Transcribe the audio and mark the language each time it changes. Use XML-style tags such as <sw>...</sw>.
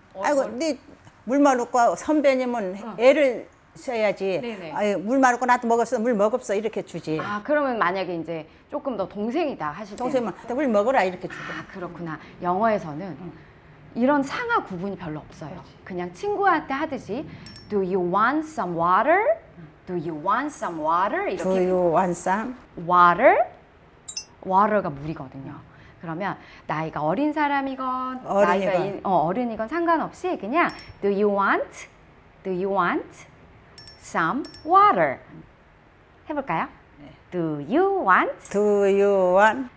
<ko>아이고, 네 물 마르고 선배님은 애를 써야지. 아유, 물 마르고 나한테 먹었어, 물 먹었어 이렇게 주지. 아, 그러면 만약에 이제 조금 더 동생이다 하실 때 동생은 나한테 물 먹어라 이렇게 주고. 아, 그렇구나. 영어에서는 이런 상하 구분이 별로 없어요. 그렇지. 그냥 친구한테 하듯이</ko> <en>Do you want some water? Do you want some water? 이렇게 Do you want some? Water?</en> <ko>Water가 물이거든요. 그러면 나이가 어린 사람이건 어른이건 상관없이 그냥</ko> <en>Do you want? Do you want? Some water.</en> <ko>해볼까요? 네.</ko> <en>Do you want? Do you want?</en>